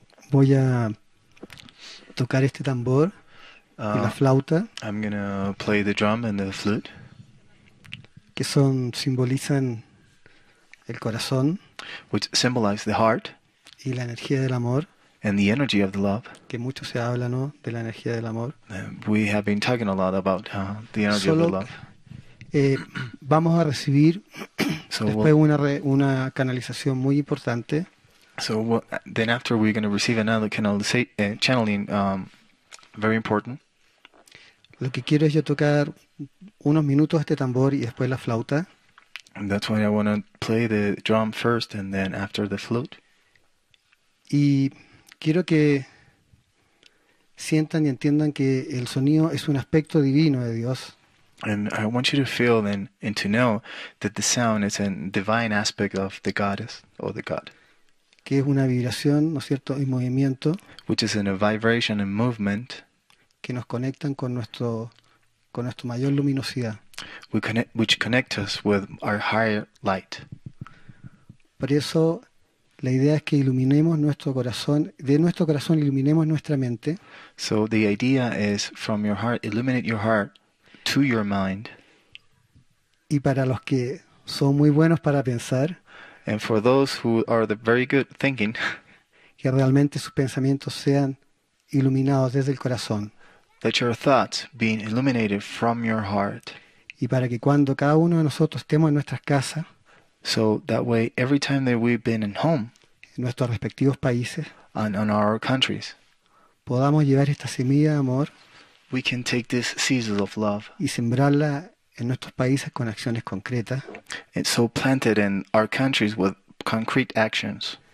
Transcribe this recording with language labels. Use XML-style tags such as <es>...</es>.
<es>Voy a tocar este tambor y la flauta.</es> <en>I'm going to play the drum and the flute.</en> <es>Que son, simbolizan el corazón.</es> <en>Which symbolize the heart.</en> <es>Y la energía del amor.</es> <en>And the energy of the love.</en> <es>Que mucho se habla, ¿no? De la energía del amor.</es> <en>We have been talking a lot about the energy</en> <es>solo,</es> <en>of the love.</en> <es>Vamos a recibir después una canalización muy importante.</es> <en>So then after we're going to receive another channeling, very important.</en> <es>Lo que quiero es yo tocar unos minutos este tambor y después la flauta.</es> <en>And that's why I want to play the drum first and then after the flute.</en> <es>Y quiero que sientan y entiendan que el sonido es un aspecto divino de Dios.</es> <en>And I want you to feel and to know that the sound is a divine aspect of the goddess or the god.</en> <es>Que es una vibración, ¿no es cierto?, y movimiento.</es> <en>Which is in a vibration and movement.</en> <es>Que nos conectan con nuestro mayor luminosidad.</es> <en>Which connect us with our higher light.</en> <es>Por eso la idea es que iluminemos nuestro corazón, de nuestro corazón iluminemos nuestra mente.</es> <en>So the idea is from your heart, illuminate your heart to your mind.</en> <es>Y para los que son muy buenos para pensar.</es> <en>And for those who are the very good thinking.</en> <es>Que realmente sus pensamientos sean iluminados desde el corazón.</es> <en>That your thoughts being illuminated from your heart.</en> <es>Y para que cuando cada uno de nosotros estemos en nuestras casas.</es> <en>So that way, every time that we've been in home,</en> <es>en nuestros respectivos países,</es> <en>and on our countries,</en> <es>podamos llevar esta semilla de amor,</es> <en>we can take this seeds of love,</en> <es>y sembrarla en nuestros países con acciones concretas,</es> <en>and so plant it in our countries with concrete actions,</en>